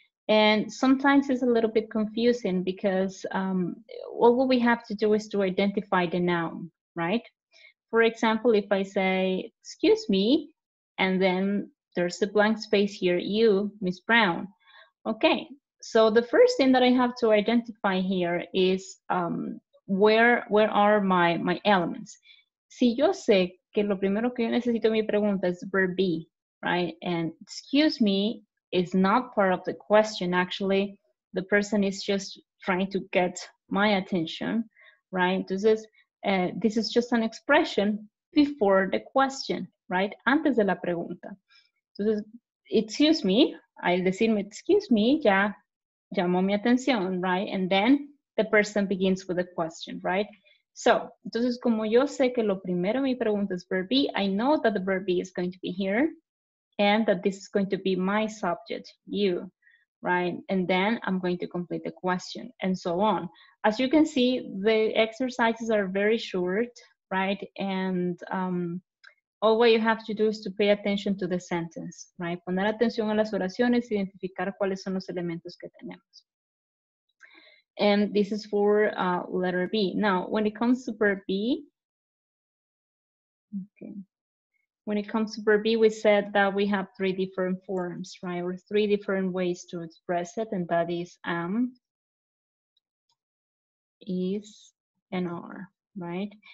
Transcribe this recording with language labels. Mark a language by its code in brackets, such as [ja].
[en] And sometimes it's a little bit confusing because what we have to do is to identify the noun, right? For example, if I say, excuse me, and then there's a blank space here, you, Miss Brown, okay. So the first thing that I have to identify here is where are my elements. [es] Si yo sé que lo primero que yo necesito mi pregunta es verb be, right? [en] And excuse me is not part of the question. Actually, the person is just trying to get my attention, right? This is just an expression before the question, right? [es] Antes de la pregunta. Entonces, excuse me, al decirme excuse me, ya llamó mi atención, right? [en] And then the person begins with a question, right? So, [es] entonces, como yo sé que lo primero mi pregunta es [en] verb be, I know that the verb be is going to be here and that this is going to be my subject, you, right? And then I'm going to complete the question and so on. As you can see, the exercises are very short, right? And all what you have to do is to pay attention to the sentence, right? [es] Poner atención a las oraciones, identificar cuáles son los elementos que tenemos. [en] And this is for letter B. Now, when it comes to verb B, okay. When it comes to verb B, we said that we have three different forms, right? Or three different ways to express it, and that is am, is, and are, right?